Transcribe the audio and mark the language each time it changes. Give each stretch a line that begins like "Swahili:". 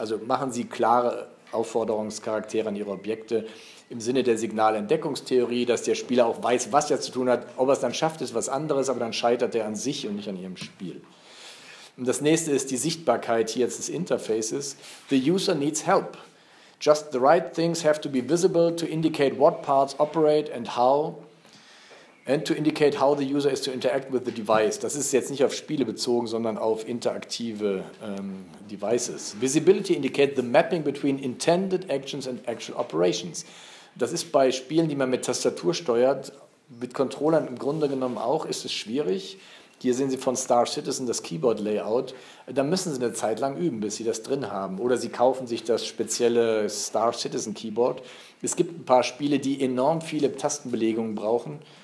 German: Also machen Sie klare Aufforderungscharaktere an Ihre Objekte im Sinne der Signalentdeckungstheorie, dass der Spieler auch weiß, was er zu tun hat. Ob er es dann schafft, ist was anderes, aber dann scheitert er an sich und nicht an Ihrem Spiel. Und das nächste ist die Sichtbarkeit hier jetzt des Interfaces.
English: The user needs help. Just the right things have to be visible to indicate what parts operate and how, and to indicate how the user is to interact with the device.
German: Das ist jetzt nicht auf Spiele bezogen, sondern auf interaktive Devices.
English: Visibility indicates the mapping between intended actions and actual operations.
German: Das ist bei Spielen, die man mit Tastatur steuert, mit Controllern im Grunde genommen auch, ist es schwierig. Hier sehen Sie von Star Citizen das Keyboard-Layout. Da müssen Sie eine Zeit lang üben, bis Sie das drin haben. Oder Sie kaufen sich das spezielle Star Citizen-Keyboard. Es gibt ein paar Spiele, die enorm viele Tastenbelegungen brauchen.